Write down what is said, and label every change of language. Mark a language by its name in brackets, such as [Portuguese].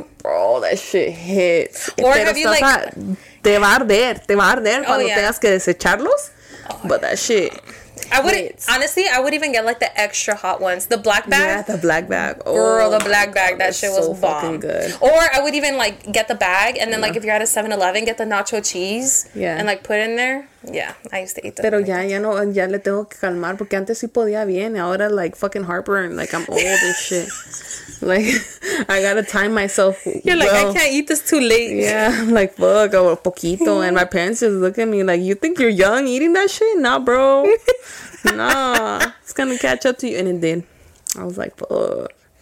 [English] Oh, bro, that shit hits. Or if have you like. Hot, te va a arder, te va a arder cuando tengas que desecharlos. But that shit. I would honestly, I would even get like the extra hot ones, the black bag. Yeah, the black bag. Girl, the black bag. That shit was bomb. Fucking good. Or I would even like get the bag and then like if you're at a 7-Eleven, get the nacho cheese. Yeah. And like put it in there. Yeah, I used to eat them. [Spanish] Pero ya, ya no, ya le tengo que calmar porque antes sí podía bien. [English] Ahora like fucking heartburn, like I'm old and shit. Like, I gotta time myself. You're like, well, I can't eat this too late. Yeah, I'm like, fuck, a poquito. And my parents just look at me like, you think you're young eating that shit? Nah, bro. Nah, it's gonna catch up to you. And it did. I was like, fuck.